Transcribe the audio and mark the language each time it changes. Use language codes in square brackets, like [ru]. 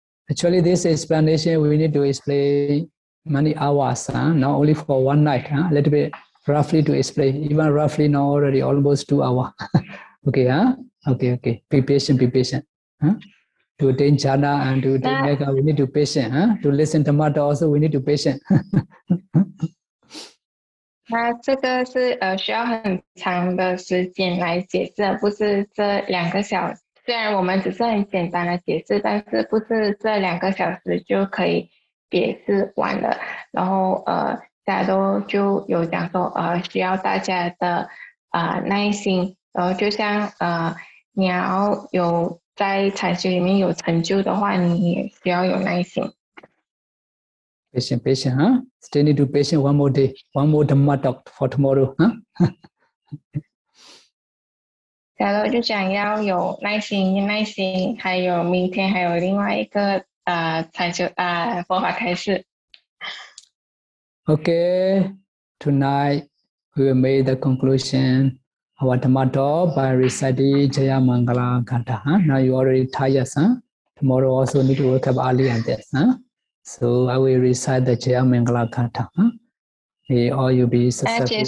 [en] Actually, this explanation we need to explain many hours, not only for one night, a little bit roughly to explain, even roughly now already almost 2 hours. Okay, Okay. Be patient. To attain jhana and to attain mega, we need to be patient. To listen to dhamma also, we need to be patient. [zh] 那这个是需要很长的时间来解释，不是这两个小时。虽然我们只是很简单的解释，但是不是这两个小时就可以解释完了。然后大家都就有讲说需要大家的耐心，然后就像。你要有在禅修里面有成就的话，你也需要有耐心。 [en] Patient, huh? Still need to be patient one more day, one more Dhamma talk for tomorrow, huh? [zh] 假如就讲要有耐心，还有明天还有另外一个禅修佛法开示。 [en] Okay, tonight we will make the conclusion our Dhamma talk by reciting Jaya Mangala Gatha. Huh? Now you already tired, huh? Tomorrow also need to wake up early on this, huh? So I will recite the Jaya Mangala Gatha. May all you be successful.